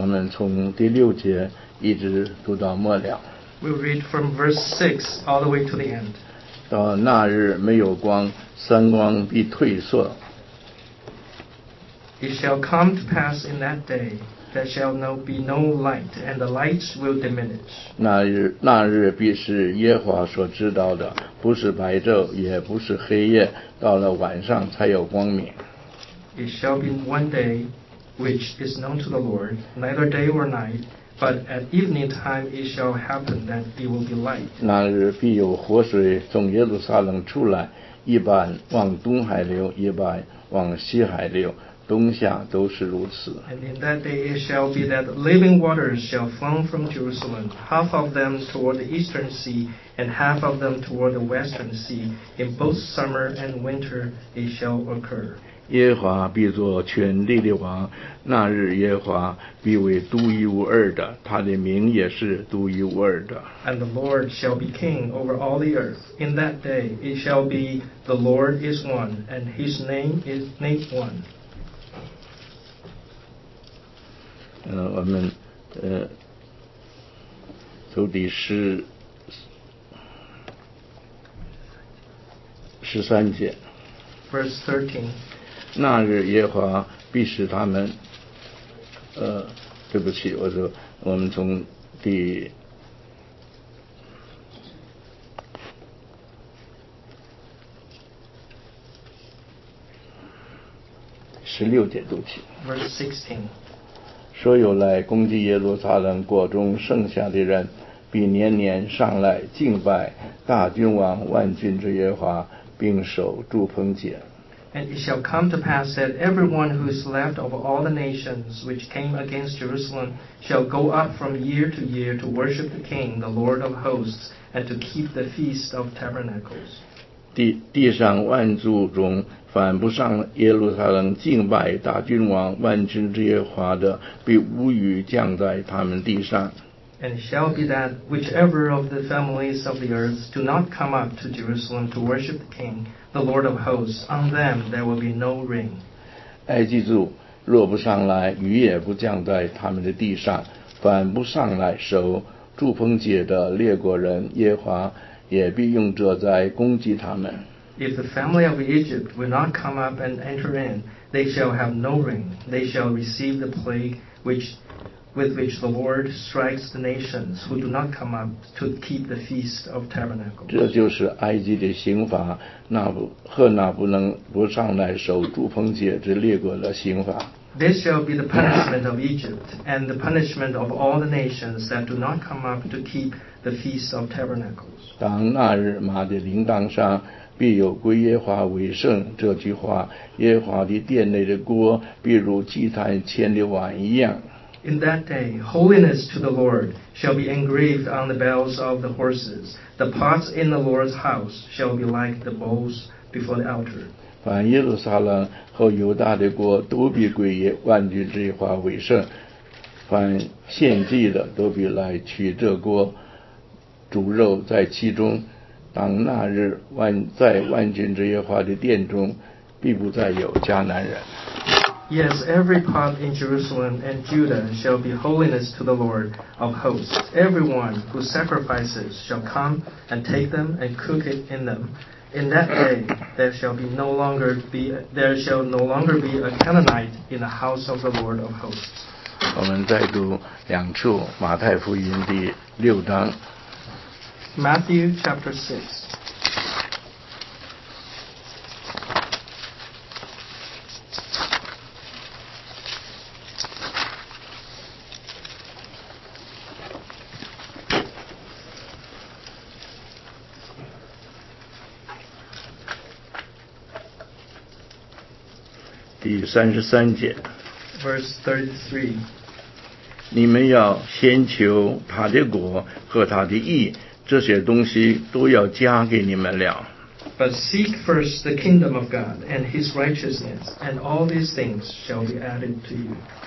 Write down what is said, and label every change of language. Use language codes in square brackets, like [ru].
[zh] 从第六节一直读到末了。 [en] We'll read from verse 6 all the way to the end. [zh] 到那日没有光，三光必退缩。 [en] It shall come to pass in that day there shall not be no light, and the lights will diminish. [zh] 那日必是耶和华所知道的，不是白昼，也不是黑夜，到了晚上才有光明。 [en] It shall be one day. Which is known to the Lord, neither day or night, but at evening time it shall happen that it will be light. [zh] 那日必有活水从耶路撒冷出来，一半往东海流，一半往西海流，东下都是如此。 [en] And in that day it shall be that living waters shall flow from Jerusalem, half of them toward the eastern sea, and half of them toward the western sea. In both summer and winter it shall occur. [zh] 耶和华必作全地的王，那日耶和华必为独一无二的，他的名也是独一无二的。 [en] And the Lord shall be king over all the earth. In that day it shall be the Lord is one, and his name is named one. [zh] 我们从第十三节 [en] ，verse 13。 [zh] 那日耶和华必使他们，对不起，我说我们从第16节读起。 [en] Verse 16。 [zh] 说有来攻击耶路撒冷国中剩下的人，必年年上来敬拜大君王万军之耶和华，并守祝棚节。 [en] And it shall come to pass that everyone who is left of all the nations which came against Jerusalem shall go up from year to year to worship the King, the Lord of hosts, and to keep the Feast of Tabernacles. [zh] 地上万族中，凡不上耶路撒冷敬拜大君王万军之耶和华的，必无雨降在他们地上。 [en] And it shall be that whichever of the families of the earth do not come up to Jerusalem to worship the King, the Lord of hosts, on them there will be no rain. [zh] 埃及族若不上来，雨也不降在他们的地上。凡不上来守祝棚节的列国人，耶和华也必用这灾攻击他们。 [en] If the family of Egypt will not come up and enter in, they shall have no rain. They shall receive the plague with which the Lord strikes the nations who do not come up to keep the Feast of Tabernacles. [zh] 这就是埃及的刑罚，那不上来守祝棚节之列国的刑罚。 [en] This shall be the punishment of Egypt and the punishment of all the nations that do not come up to keep the Feast of Tabernacles. [zh] 当那日马的铃铛上必有归耶华为圣这句话，耶华的殿内的锅必如祭坛前的碗一样。 [en] In that day, holiness to the Lord shall be engraved on the bells of the horses. The pots in the Lord's house shall be like the bowls before the altar. [zh] 凡耶路撒冷和犹大的国都必归耶万军之耶和华为圣。凡献祭的都必来取这锅，煮肉在其中。当那日在万军之耶和华的殿中，必不再有迦南人。 [en] Yes, every pot in Jerusalem and Judah shall be holiness to the Lord of hosts. Everyone who sacrifices shall come and take them and cook it in them. In that day there shall no longer be a Canaanite in the house of the Lord of hosts. [zh] 我们再读两处，马太福音第六章。 [en] Matthew chapter 6. [zh] 第33节 [en] Verse 33， [zh] 你们要先求他的国和他的义，这些东西都要加给你们了。 [en] But seek first the kingdom of God and his righteousness, and all these things shall be added to you.